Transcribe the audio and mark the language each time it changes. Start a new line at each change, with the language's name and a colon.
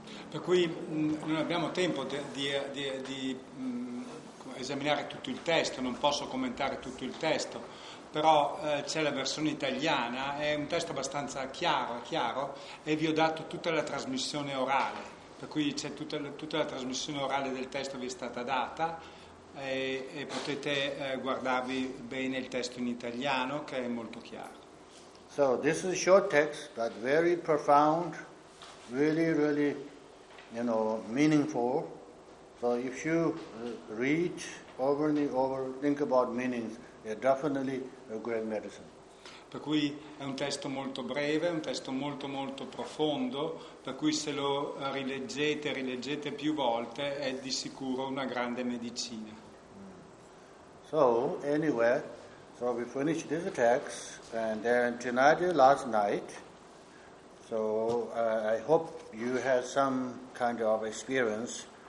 Italian: Per cui non abbiamo tempo di esaminare tutto il testo, non posso commentare tutto il testo, però c'è la versione italiana, è un testo abbastanza chiaro, e vi ho dato tutta la trasmissione orale, per cui c'è tutta la trasmissione orale del testo vi è stata data, e potete guardarvi bene il testo in italiano, che è molto chiaro.
English: So this is a short text, but very profound, really, really, you know, meaningful. So if you read over and over, think about meanings, it's definitely a great medicine.
Italian: Per cui è un testo molto breve, un testo molto molto profondo, per cui se lo rileggete più volte è di sicuro una grande medicina.
English: So anyway, so we finish this text, and then tonight, last night, so I hope you have some kind of experience.